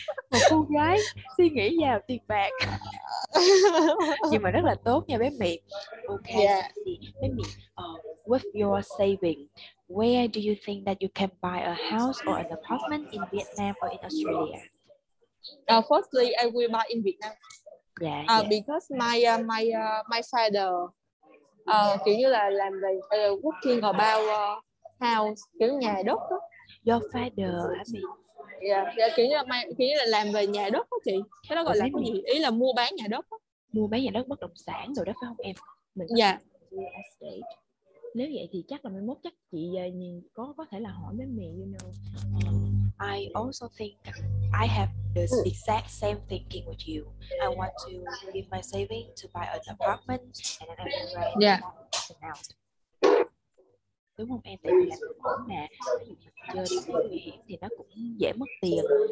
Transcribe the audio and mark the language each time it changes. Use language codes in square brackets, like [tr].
[vi] Một cô gái suy nghĩ vào tiền bạc nhưng mà rất là tốt nha bé Mị. [en] Okay, yeah. Bé Mị, with your saving, where do you think that you can buy a house or an apartment in Vietnam or in Australia? Firstly, I will buy in Vietnam. Yeah. Because my father [vi] kiểu như là làm về [en] working about house, [vi] kiểu nhà đất đó. [en] Your father, I mean. [vi] Yeah, kiểu như là làm về nhà đất đó chị. Cái đó gọi là gì? Ý là mua bán nhà đất đó. Mua bán nhà đất, bất động sản rồi đó phải không em? Mình dạ. [en] Yeah. [vi] Nếu vậy thì chắc là mai mốt chắc chị nhìn có thể là hỏi mấy mẹ, [en] you know. I also think I have the exact same thinking with you. I want to give my saving to buy an apartment and then I will rent something out. [vi] Đúng không em? Tại vì làm ở nhà chơi đi nguy hiểm thì nó cũng dễ mất tiền.